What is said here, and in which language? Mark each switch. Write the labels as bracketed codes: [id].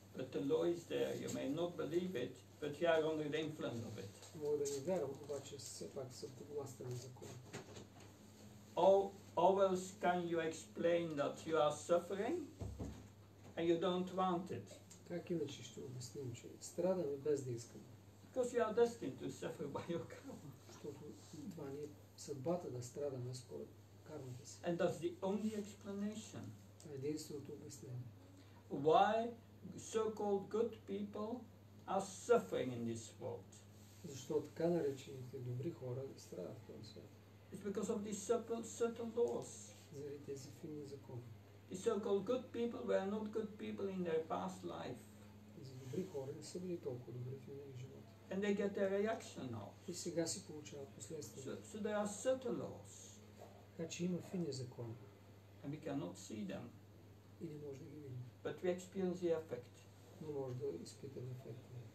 [en] But the law is there, you may not believe it, but you are under the influence of it. [bg] Може да не вярвам, обаче все пак съм под властта на закона. [en] How else can you explain that you are suffering? And you don't want it. [bg] Как иначе ще обясним, че страдаме без да искаме? [en] Because you are destined to suffer by your karma. [bg] Защото това ни е съдбата да страдаме според кармата си. [en] And that's the only explanation. [bg] Единственото обяснение. [en] Why so-called good people are suffering in this world? [bg] Защо така наречените добри хора страдат в този свят? [en] It's because of these subtle laws. [bg] Заради тези фини закони. [en] The so-called good people were not good people in their past life. [bg] Добри хора не са били толкова добри в миналия живот. [en] And they get their reaction now. [bg] И сега си получават последствия. [en] So there are subtle laws. [bg] Така че има фини закони. [en] And we cannot see them. [bg] И не може да ги видим. [en] But we experience the effect. [bg] Но може да изпитаме ефекта.